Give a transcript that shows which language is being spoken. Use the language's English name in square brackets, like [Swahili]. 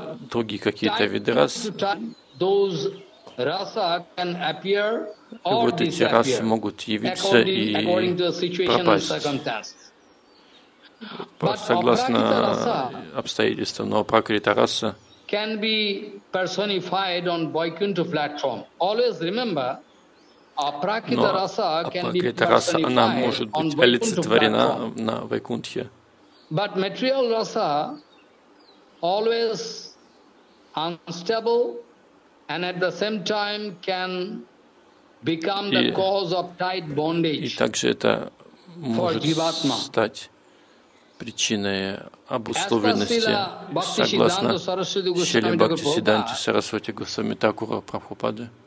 [Russian] другие какие-то виды рас. И вот эти расы могут явиться и пропасть согласно обстоятельствам, но Пракрита раса [English] can be personified on Vaikuntha platform. Always remember, Пракрита [Russian] раса она может быть олицетворена на Вайкунтхе. [English] But material rasa always unstable and at the same time can become the cause of tight bondage. [Russian] И также это может стать причиной обусловленности, согласно Шриле Бхактисиддханте Сарасвати Госвами Такура Прабхупады.